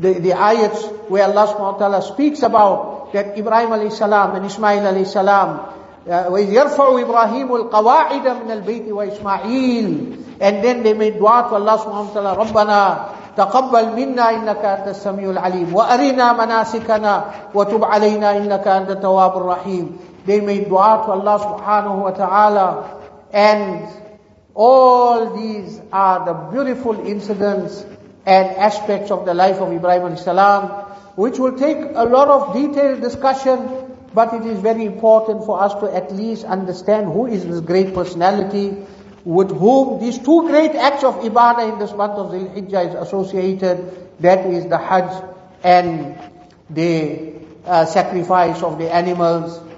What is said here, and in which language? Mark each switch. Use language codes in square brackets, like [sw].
[en] ayats where Allah subhanahu wa ta'ala speaks about that Ibrahim alayhi salam and Ismail alayhi salam, [ar] وَإِذْ يَرْفَعُ إِبْرَاهِيمُ الْقَوَاعِدَ مِنَ الْبَيْتِ وَإِسْمَعِيلِ. [en] And then they made dua to Allah subhanahu wa ta'ala, [ar] رَبَّنَا تَقَبَّلْ مِنَّا إِنَّكَ أَنْتَ السَّمِيعُ الْعَلِيمُ وَأَرِنَا مَنَاسِكَنَا وَتُبْ عَلَيْنَا إِنَّكَ أَنْتَ التَّوَّابُ الرَّحِيمُ. [en] They made dua to Allah subhanahu wa ta'ala. And all these are the beautiful incidents and aspects of the life of Ibrahim alayhi salam, which will take a lot of detailed discussion, but it is very important for us to at least understand who is this great personality with whom these two great acts of ibadah in this month of Zilhijjah is associated, that is the Hajj and the sacrifice of the animals.